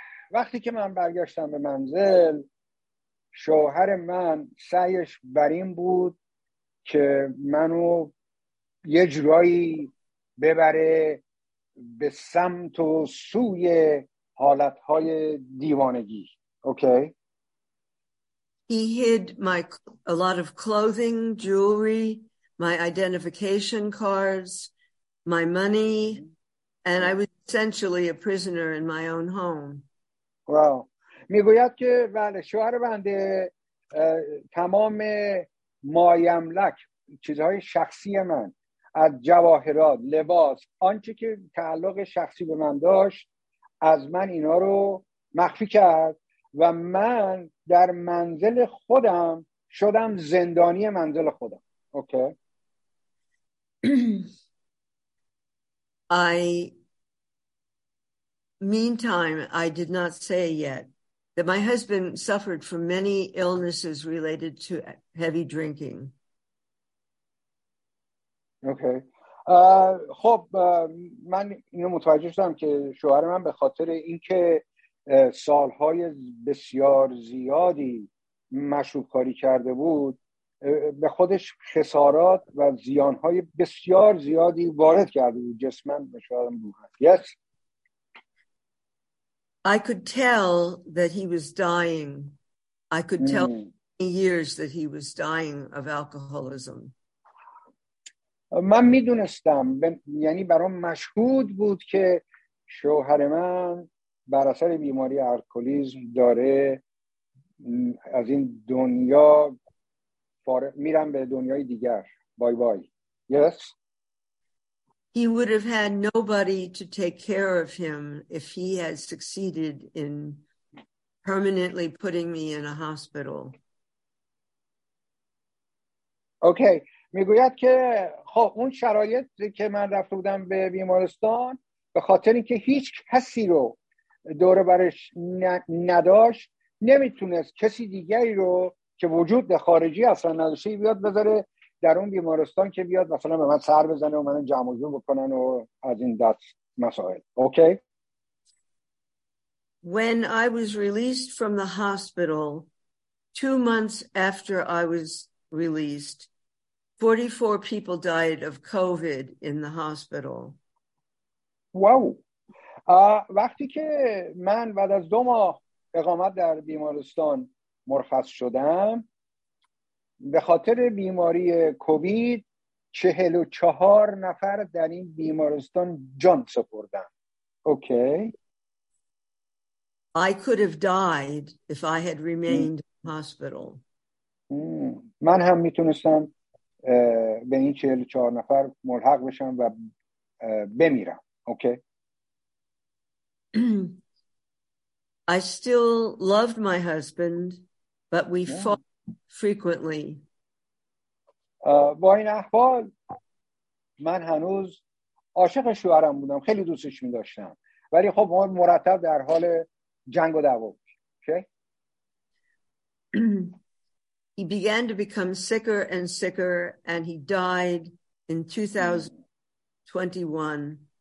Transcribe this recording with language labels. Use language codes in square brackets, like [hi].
[fa] وقتی که من برگشتم به منزل، شوهر من سعیش بر این بود که منو یه جورایی ببره به سمت و سوی حالتهای دیوانگی. [en] Okay. He hid a lot of clothing, jewelry, my identification cards, my money, and I was essentially a prisoner in my own home. Wow. [fa] میگوید که بله شوهر بنده تمام مایملک چیزهای شخصی من از جواهرات لباس آنچه که تعلق شخصی به من داشت از من اینا رو مخفی کرد و من در منزل خودم شدم زندانی منزل خودم. [en] Okay. Meantime, I did not say yet that my husband suffered from many illnesses related to heavy drinking. Okay. [fa] خب من اینو متوجه شدم که شوهر من به خاطر اینکه سالهای بسیار زیادی مشروب کاری کرده بود به خودش خسارات و زیانهای بسیار زیادی وارد کرده بود جسمن به شوهرم بود. [en] Yes. I could tell that he was dying. I could tell many years that he was dying of alcoholism. [fa] من میدونستم یعنی برام مشهود بود که شوهر من بر اثر بیماری الکلیسم داره از این دنیا میرم به دنیای دیگر. [en] Bye bye. Yes. He would have had nobody to take care of him if he had succeeded in permanently putting me in a hospital. Okay. [fa] میگوید که خب اون شرایط که من رفته بودم به بیمارستان به خاطر اینکه هیچ کسی رو دور برش نداشت نمیتونست کسی دیگری رو که وجود خارجی اصلا نداشته بیاد بذاره در اون بیمارستان که بیاد مثلا به من سر بزنه و من جمع جور بکنن و از این دست مسائل. [en] Okay. When I was released from the hospital 2 months after I was released, 44 people died of COVID in the hospital. Wow. [fa] وقتی که من بعد از 2 ماه اقامت در بیمارستان مرخص شدم به خاطر بیماری کووید 44 نفر در این بیمارستان جان سپردن. [en] Okay. I could have died if I had remained in the hospital. [fa] من هم میتونستم به این 44 نفر ملحق بشم و بمیرم. [en] Okay. I still loved my husband, but we fought frequently. [fa] با این احوال من هنوز عاشق شوهرم بودم، خیلی دوستش می داشتم، ولی خب ما مرتب در حال جنگ و دعوا بودیم. [en] Okay. He began to become sicker and sicker, and he died in 2020.